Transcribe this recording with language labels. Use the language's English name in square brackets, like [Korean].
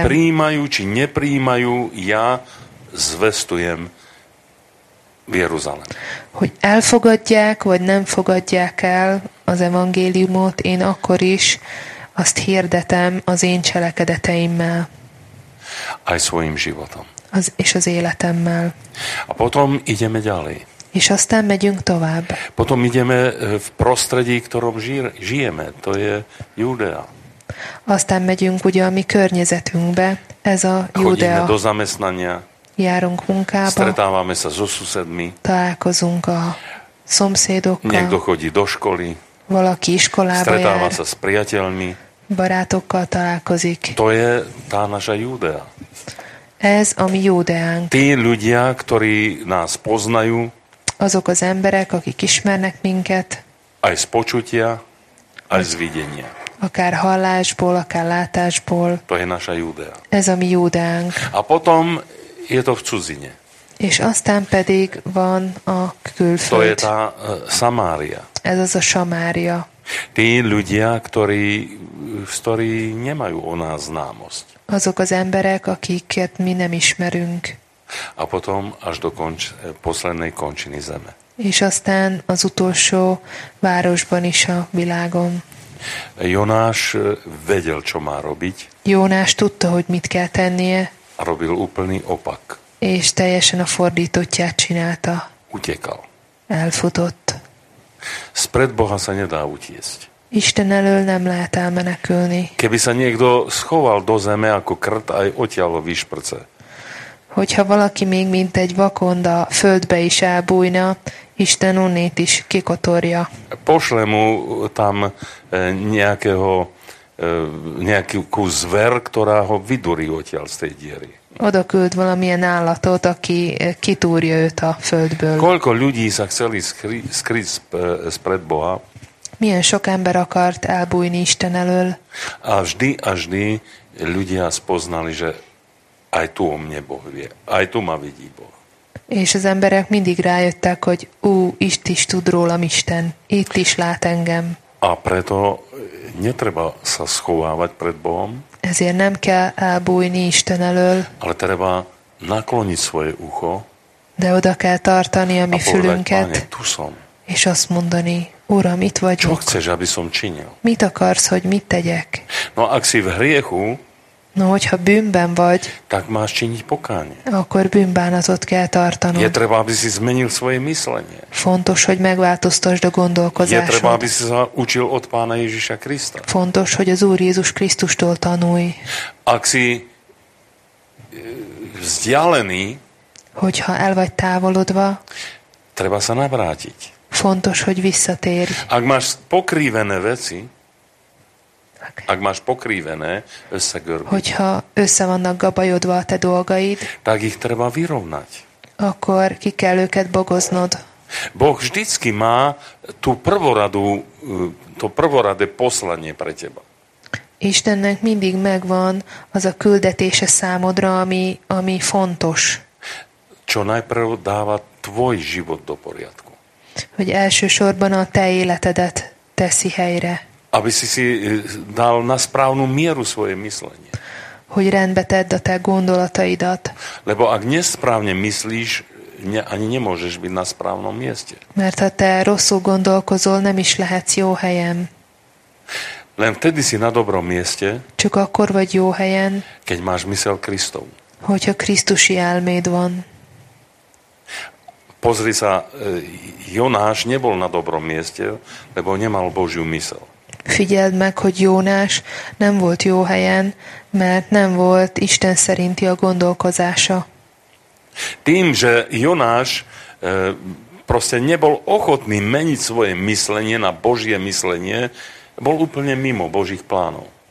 [Slovak] Už či prijímajú, či neprijímajú, ja zvestujem v Jeruzalém. [Hungarian] Hogy elfogadják, vagy nem fogadják el az evangéliumot, én akkor is azt hirdetem az én cselekedeteimmel. [Slovak] Aj svojím životom. [Hungarian] És az életemmel. [Slovak] A potom ideme ďalej. [Hungarian] És aztán megyünk tovább. [Slovak] Potom ideme v prostredí, ktorom žijeme, to je Judea. [Hungarian] Aztán megyünk ugye a mi környezetünkbe, ez a Judea. [Slovak] Chodíme do zamestnania. [Hungarian] Járunk munkába. [Slovak] Stretávame sa so susedmi. [Hungarian] Találkozunk a szomszédokkal. [Slovak] Niekto chodí do školy. [Hungarian] Valaki iskolába jár. [Slovak] Stretáva sa s priateľmi. [Hungarian] Barátokkal találkozik. [Slovak] To je tá naša Judea. [Hungarian] Ez a mi Judeánk. [Slovak] Tí ľudia, ktorí nás poznajú. [Hungarian] Azok az emberek, akik ismernek minket. [Slovak] Aj z počutia, aj z videnia. [Hungarian] Akár hallásból, akár látásból. [Slovak] To je naša Judea. [Hungarian] Ez a mi Judeánk. [Slovak] A potom je to v cudzine. [Hungarian] És aztán pedig van a külföld. [Slovak] To je tá Samária. [Hungarian] Ez az a Samária. [Slovak] Tí ľudia, ktorí nemajú o nás známosť. [Hungarian] Azok az emberek, akiket mi nem ismerünk. [Slovak] A potom až do poslednej končiny zeme. [Hungarian] És aztán az utolsó városban is a világon. [Slovak] Jonáš vedel, čo má robiť. [Hungarian] Jonáš tudta, hogy mit kell tennie. [Slovak] A robil úplný opak. [Hungarian] És teljesen a fordítottját csinálta. [Slovak] Utekal. [Hungarian] Elfutott. [Slovak] Spred Boha sa nedá utiesť. [Hungarian] Isten elől nem lehet elmenekülni. [Slovak] Keby sa niekto schoval do zeme ako krt, aj odtiaľ vyšprce. [Hungarian] Hogyha valaki még mint egy vakonda földbe is elbújna, Isten onnét is kikotorja. [Slovak] Pošle mu tam nejakého, nejakú zver, ktorá ho vyduri odtiaľ z tej diery. [Hungarian] Oda küld valamilyen állatot, aki kitúrja őt a földből. [Slovak] Koľko ľudí sa chceli skryť spred Boha? [Hungarian] Milyen sok ember akart elbújni Isten elől. [Slovak] A vždy ľudia spoznali, že aj tu o mne Boh vie. Aj tu ma vidí Boh. [Hungarian] És az emberek mindig rájöttek, hogy Isten is tud rólam Isten. Itt is lát engem. [Slovak] A preto netreba sa schovávať pred Bohom. [Hungarian] Ezért nem kell elbújni Isten elől. [Slovak] Ale treba nakloniť svoje ucho. [Hungarian] De oda kell tartani a mi fülünket. [Slovak] Páne, tu som. [Hungarian] És azt mondani, Uram, itt vagyok. [Slovak] Čo chceš, aby som činil? [Hungarian] Mit akarsz, hogy mit tegyek? [Slovak] No, ak si v hriechu, [Hungarian] no, hogyha bűnben vagy, [Slovak] tak máš činiť pokánie. [Hungarian] Akkor bűnbánatot kell tartanod. [Slovak] Je treba, aby si zmenil svoje myslenie. [Hungarian] Fontos, hogy megváltoztasd a gondolkozásod. [Slovak] Je treba, aby si sa učil od Pána Ježiša Krista. [Hungarian] Fontos, hogy az Úr Jézus Krisztustól tanulj. [Slovak] Ak si vzdialený, [Hungarian] hogyha el vagy távolodva, [Slovak] treba sa navrátiť. [Hungarian] Fontos, hogy visszatérj. [Slovak] Ak máš pokrívené veci, ak máš pokrívené, [Hungarian] összegörbíte. Hogyha össze vannak gabajodva a te dolgaid, [Slovak] tak ich treba vyrovnať. [Hungarian] Akkor ki kell őket bogoznod. [Slovak] Boh vždycky má tú prvoradú, to prvoradé poslanie pre teba. [Hungarian] Istennek mindig megvan az a küldetése számodra, ami fontos. [Slovak] Čo najprv dáva tvoj život do poriadku. [Hungarian] Hogy elsősorban a te életedet teszi helyre. [Slovak] Aby si dal na správnu mieru svoje myslenie. [Hungarian] Hogy rendbe tedd a te gondolataidat. [Slovak] Lebo ak nesprávne myslíš, ani nemôžeš byť na správnom mieste. [Hungarian] Mert ha te rosszul gondolkozol, nem is lehetsz jó helyen. [Slovak] Len vtedy si na dobrom mieste. [Hungarian] Csak akkor vagy jó helyen. [Slovak] Keď máš mysel Kristov. [Hungarian] Hogyha Krisztusi elméd van. [Slovak] Pozri sa, Jonáš nebol na dobrom mieste, lebo nemal Božiu mysel. [Hungarian] Figyeld meg, hogy Jónás nem volt jó helyen, mert nem volt Isten szerinti a gondolkozása. [Slovak] Tým, že Jonáš proste nebol ochotný meniť svoje myslenie na Božie myslenie, bol úplne mimo Božích plánov.